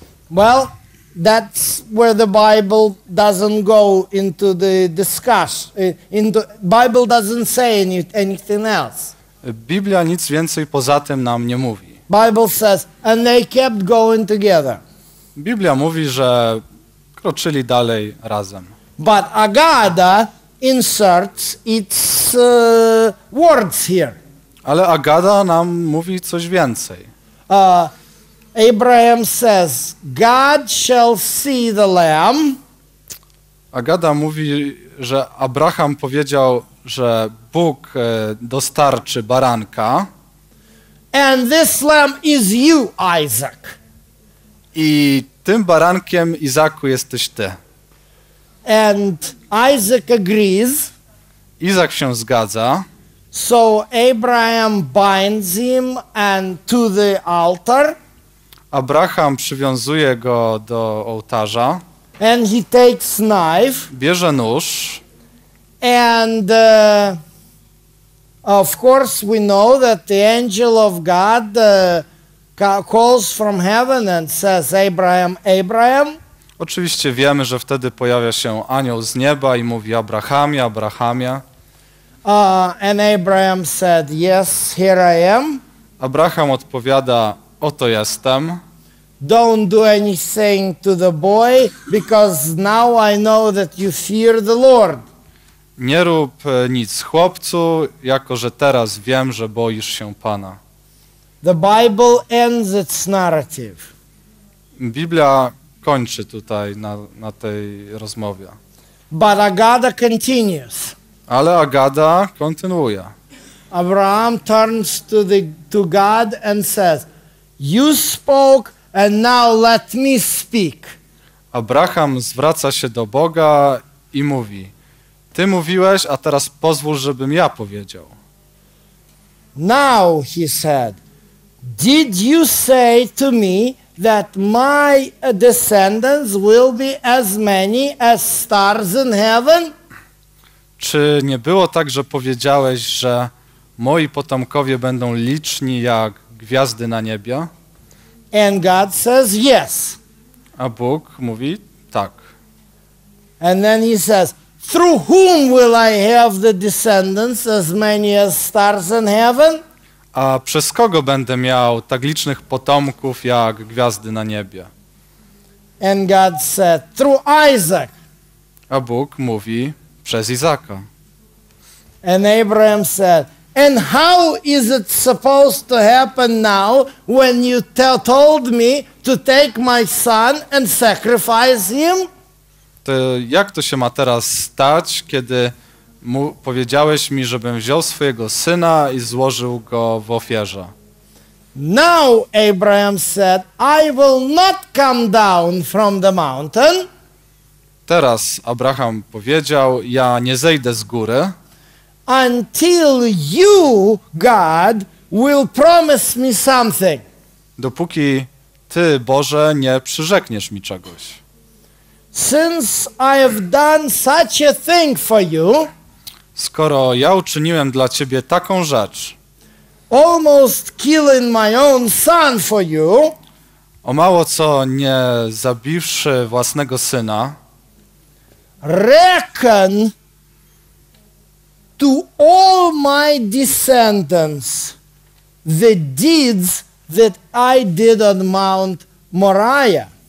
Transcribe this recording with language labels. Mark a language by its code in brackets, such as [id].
[en] Well, that's where the Bible doesn't go into the discussion. In the Bible doesn't say anything else. [pl] Biblia nic więcej poza tym nam nie mówi. [en] Bible says, and they kept going together. [pl] Biblia mówi, że kroczyli dalej razem. [en] But Agada inserts its words here. [pl] Ale Agada nam mówi coś więcej. [en] Abraham says, God shall see the lamb. [pl] Agada mówi, że Abraham powiedział, że Bóg dostarczy baranka. [en] And this lamb is you, Isaac. [pl] I tym barankiem, Izaku, jesteś ty. [en] And Isaac agrees. [pl] Izak się zgadza. [en] So Abraham binds him and to the altar. [pl] Abraham przywiązuje go do ołtarza. [en] And he takes knife. [pl] Bierze nóż. [en] And of course we know that the angel of God calls from heaven and says, Abraham, Abraham. [pl] Oczywiście wiemy, że wtedy pojawia się anioł z nieba i mówi, Abrahamie, Abrahamie. [en] And Abraham said, yes, here I am. [pl] Abraham odpowiada, oto jestem. [en] Don't do anything to the boy, because now I know that you fear the Lord. [pl] Nie rób nic chłopcu, jako że teraz wiem, że boisz się Pana. [en] The Bible ends its narrative. [pl] Biblia kończy tutaj na tej rozmowie. [en] But Agada continues. [pl] Ale Agada kontynuuje. [en] Abraham turns to God and says, you spoke, and now let me speak. [pl] Abraham zwraca się do Boga i mówi, ty mówiłeś, a teraz pozwól, żebym ja powiedział. [en] Now he said, did you say to me that my descendants will be as many as stars in heaven? [pl] Czy nie było tak, że powiedziałeś, że moi potomkowie będą liczni jak gwiazdy na niebie? [en] And God says, yes. [pl] A Bóg mówi, tak. [en] And then he says, through whom will I have the descendants as many as stars in heaven? [pl] A przez kogo będę miał tak licznych potomków jak gwiazdy na niebie? [en] And God said, through Isaac. [pl] A Bóg mówi, przez Izaka. [en] And Abraham said, and how is it supposed to happen now when you told me to take my son and sacrifice him? [pl] To jak to się ma teraz stać, kiedy powiedziałeś mi, żebym wziął swojego syna i złożył go w ofierze? [en] Now Abraham said, I will not come down from the mountain. [pl] Teraz Abraham powiedział, ja nie zejdę z góry. [en] Until you, God, will promise me something. [pl] Dopóki ty, Boże, nie przyrzekniesz mi czegoś. [en] Since I have done such a thing for you. [pl] Skoro ja uczyniłem dla ciebie taką rzecz. [en] Almost killing my own son for you. [pl] O mało co nie zabiwszy własnego syna. [en] Reckon to all my descendants the deeds that I did on Mount Moriah.